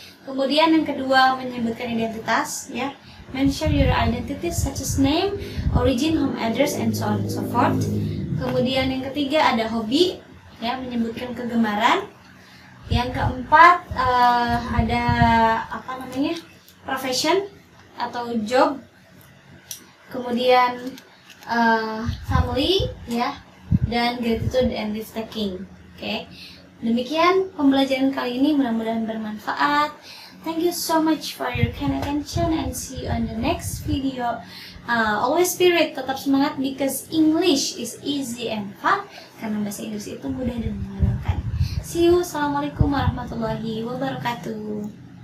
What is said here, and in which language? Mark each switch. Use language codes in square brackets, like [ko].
[id] Kemudian yang kedua, menyebutkan identitas, ya, yeah. [en] Mention your identity, such as name, origin, home address, and so on and so forth. [id] Kemudian yang ketiga, ada hobi, ya, menyebutkan kegemaran. Yang keempat, ada apa namanya, profession atau job. Kemudian family, ya, dan [en] gratitude and leave taking. [id] Oke, okay. Demikian pembelajaran kali ini, mudah-mudahan bermanfaat. [en] Thank you so much for your kind attention and see you on the next video. Always spirit, [id] tetap semangat [en] because English is easy and fun. [id] Karena bahasa Inggris itu mudah dan menyenangkan. [en] See you. [ar] Assalamualaikum warahmatullahi wabarakatuh.